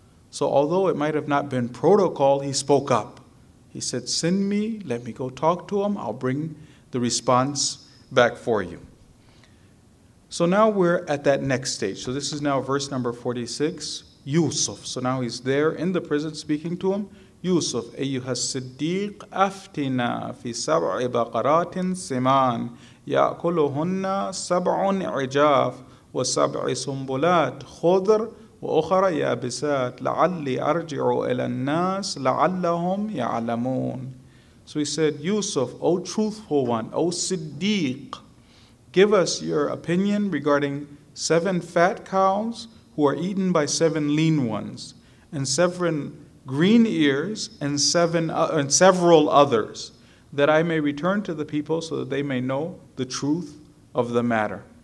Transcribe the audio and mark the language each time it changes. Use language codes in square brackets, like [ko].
[en] So although it might have not been protocol, he spoke up. He said, send me, let me go talk to him, I'll bring the response back for you. So now we're at that next stage. So this is now verse number 46. Yusuf. So now he's there in the prison speaking to him. [ar] Yusuf, أيها الصديق أفتنا في سبع بقرات سمان يأكلهن سبع عجاف وسبع سنبلات خضر وأخرى يابسات لعلي أرجع إلى الناس لعلهم يعلمون. [en] So he said, Yusuf, O truthful one, O Siddiq, give us your opinion regarding seven fat cows who are eaten by seven lean ones, and seven green ears, and several others, that I may return to the people so that they may know the truth of the matter.